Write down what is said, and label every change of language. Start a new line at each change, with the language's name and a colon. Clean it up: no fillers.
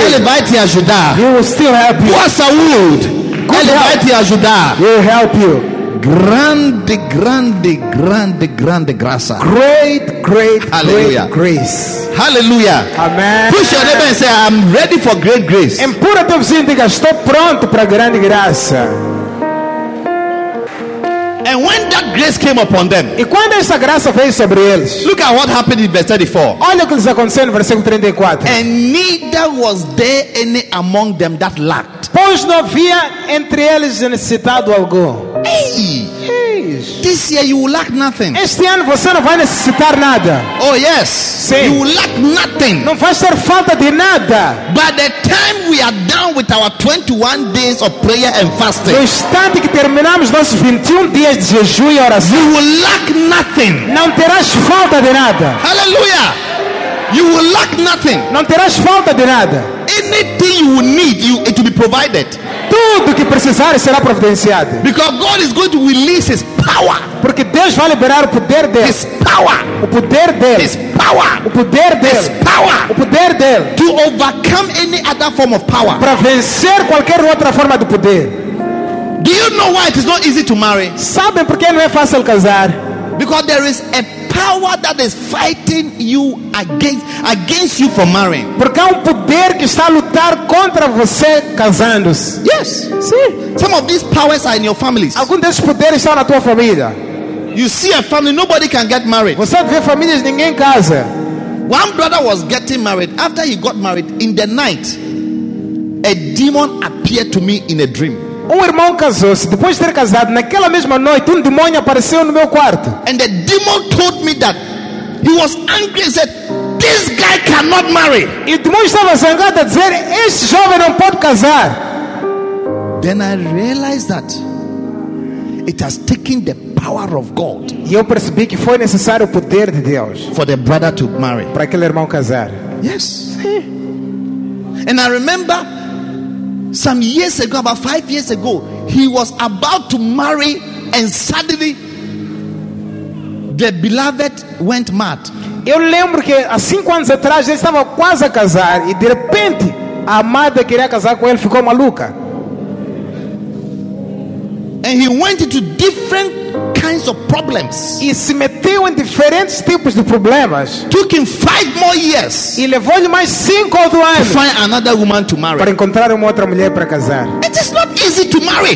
Portuguese: Ele vai te ajudar.
English: He will still help you.
Portuguese: Boa saúde. Ele vai te ajudar.
English: He will help you.
Portuguese: Grande, grande, grande, grande graça.
English: Great, great, hallelujah. Great grace. Hallelujah. Amen. Push your neighbor and say, I'm ready for great grace.
Portuguese: Empurra teu vizinho e diga, estou pronto para grande graça.
English: And when that grace came upon them.
Portuguese: E quando essa graça veio sobre eles.
English: Look at what happened in verse 34.
Portuguese: Olha o que lhes aconteceu no versículo 34.
English: And neither was there any among them that lacked.
Portuguese: Pois não havia entre eles necessitado algum. Ei! Ei! coisas.
English: This year you will lack nothing.
Portuguese: Este ano você não vai necessitar nada.
English: Oh yes.
Portuguese: Sim.
English: You will lack nothing.
Portuguese: Não vai ter falta de nada.
English: By the time we are done with our 21 days of prayer and fasting.
Portuguese: No instante que terminamos nossos 21 dias de jejum e oração.
English: You will lack nothing.
Portuguese: Não terás falta de nada.
English: Hallelujah. You will lack nothing.
Portuguese: Não terás falta de nada.
English: Anything you will need, it will be provided.
Portuguese: Tudo que precisar será providenciado.
English: Because God is going to release His power.
Portuguese: Porque Deus vai liberar o poder dele.
English: His power.
Portuguese: O poder dele.
English: His power.
Portuguese: O poder dele.
English: His power.
Portuguese: O poder dele.
English: To overcome any other form of power.
Portuguese: Para vencer qualquer outra forma de poder.
English: Do you know why it is not easy to marry?
Portuguese: Sabe por que não é fácil casar?
English: Because there is a power that is fighting you against you for marrying.
Portuguese: Porque há poder que está a lutar contra você casando-se.
English: Yes.
Portuguese: Sim.
English: Some of these powers are in your families.
Portuguese: Alguns desses poderes estão na tua família.
English: You see a family, nobody can get married.
Portuguese: Você vê famílias, ninguém casa.
English: One brother was getting married. After he got married, in the night, a demon appeared to me in a dream.
Portuguese: Um irmão casou-se. Depois de ter casado, naquela mesma noite, um demônio apareceu no meu quarto.
English: And the demon told me that he was angry and said, "This guy cannot marry."
Portuguese: E o demônio estava zangado a dizer, "Este jovem não pode casar."
English: Then I realized that it has taken the power of God.
Portuguese: E eu percebi que foi necessário o poder de Deus for the brother to marry. Para aquele irmão casar.
English: Yes.
Portuguese: Sim.
English: And I remember some years ago, about 5 years ago, he was about to marry and suddenly the beloved went mad.
Portuguese: Eu lembro que há 5 anos atrás ele estava quase a casar e de repente a amada queria casar com ele, ficou maluca.
English: And he went into different kinds of problems.
Portuguese: E se meteu em diferentes tipos de problemas.
English: Took him 5 more years.
Portuguese: E levou-lhe mais 5 outros anos.
English: To find another woman to marry.
Portuguese: Para encontrar uma outra mulher para casar.
English: It is not easy to marry.